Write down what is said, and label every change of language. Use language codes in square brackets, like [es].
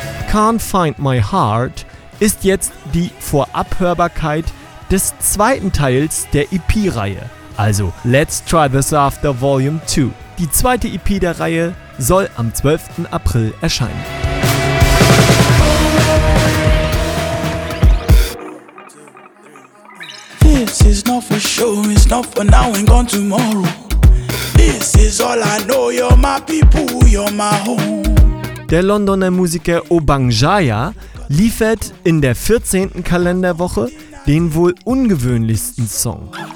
[de] Can't Find My Heart ist jetzt die Vorabhörbarkeit des zweiten Teils der EP-Reihe. Also, Let's Try This After Volume 2. Die zweite EP der Reihe soll am 12. April erscheinen. [en] This is not for show, it's not for now and gone tomorrow. This is all I know, you're my people, you're my home. [de] Der Londoner Musiker Obang Jaya liefert in der 14. Kalenderwoche den wohl ungewöhnlichsten Song.